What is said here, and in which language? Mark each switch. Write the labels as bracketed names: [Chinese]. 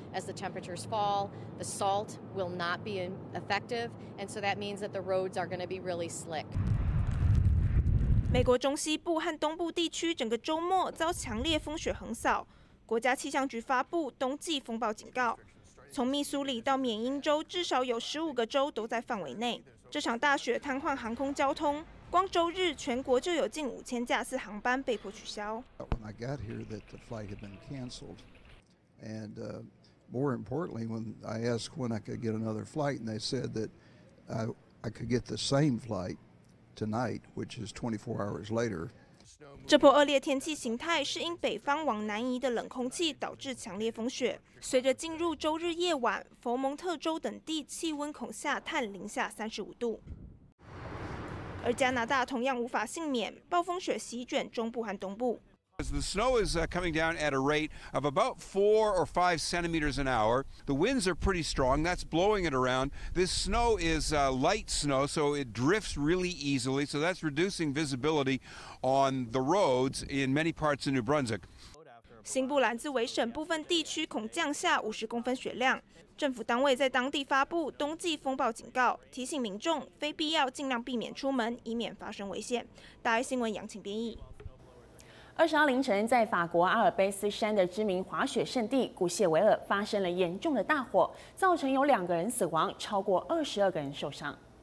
[English] As the temperatures fall, the salt will not be effective, and so that means that the roads are going to be really slick. [Chinese] 美国中西部和东部地区整个周末遭强烈风雪横扫，国家气象局发布冬季风暴警告。从密苏里到缅因州，至少有15个州都在范围内。这场大雪瘫痪航空交通。光周日，全国就有近5000架次航班被迫取消。 [English] When I got here, that the flight had been canceled, and more importantly, when I asked when I could get another flight, and they said that I could get the same flight tonight, which is 24 hours later, [Chinese] 这波恶劣天气形态是因北方往南移的冷空气导致强烈风雪。随着进入周日夜晚，佛蒙特州等地气温恐下探零下35度。而加拿大同样无法幸免，暴风雪席卷中部和东部。 [English] As the snow is coming down at a rate of about 4 or 5 centimeters an hour, the winds are pretty strong. That's blowing it around. This snow is light snow, so it drifts really easily. So that's reducing visibility on the roads in many parts of New Brunswick. [Chinese] 新布兰兹维省部分地区恐降下50公分雪量。政府单位在当地发布冬季风暴警告，提醒民众非必要尽量避免出门，以免发生危险。大爱新闻杨晴编译。 20号凌晨，在法国阿尔卑斯山的知名滑雪圣地古谢维尔发生了严重的大火，造成有两个人死亡，超过22个人受伤。